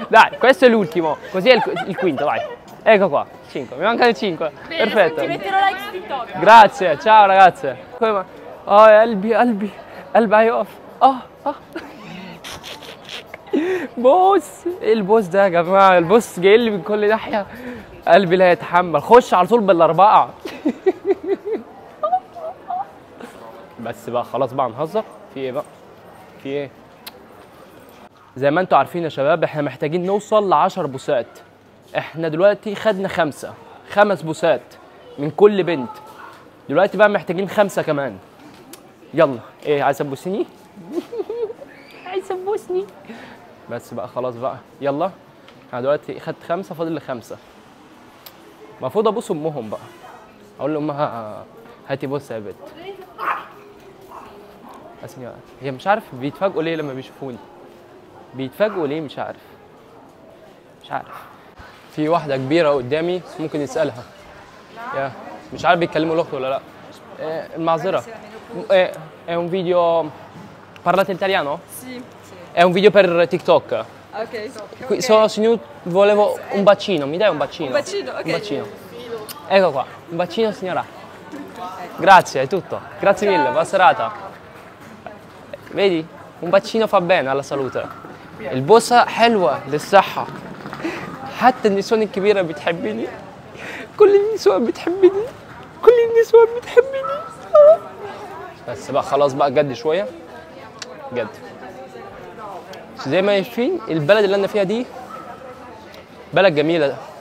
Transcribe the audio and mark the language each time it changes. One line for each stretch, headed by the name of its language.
Italian: Dai, questo è l'ultimo. Così è il quinto, vai. Ecco qua, 5. Mi mancano 5. Bene, perfetto. Ti metterò like su TikTok. Grazie, ciao ragazze. Come va? Oh, Albi, I off. Oh. Boss, il boss da gamma, il boss gelli in quelle ناحية.
Arabic: قلبي لا يتحمل، خش على طول بالأربعة. بس بقى خلاص بقى نهزر، في إيه بقى؟ في إيه؟ زي ما أنتوا عارفين يا شباب إحنا محتاجين نوصل لعشر بوسات. إحنا دلوقتي خدنا 5، 5 بوسات من كل بنت. دلوقتي بقى محتاجين 5 كمان. يلا، إيه عايز تبوسني؟ عايز تبوسني؟ بس بقى خلاص بقى، يلا. أنا دلوقتي خدت 5، فاضل لي 5. المفروض ابوس امهم بقى، اقول لامها هاتي بوسه يا بت. اسمي بقى. هي مش عارف بيتفاجئوا ليه لما بيشوفوني، بيتفاجئوا ليه مش عارف، مش عارف. في واحده كبيره قدامي ممكن يسالها. نعم. مش عارف بيتكلموا لغته ولا لا. المعذره. ايه ان فيديو
Italian: parlate italiano? Sì. È un video per TikTok. Ok. Sono signor, volevo un bacino, mi dai un bacino? Un bacino. Ok. Un bacino. Ecco qua, un bacino signora. Grazie, è tutto. Grazie mille, buona serata. Vedi? Un bacino fa bene alla salute.
Arabic: البوسة حلوة للصحة. حتى النسوان الكبيرة بتحبني. كل النسوان بتحبني. كل النسوان بتحبني. بس بقى خلاص بقى جد شوية. جد. زي ما شايفين البلد اللي أنا فيها دي بلد جميلة.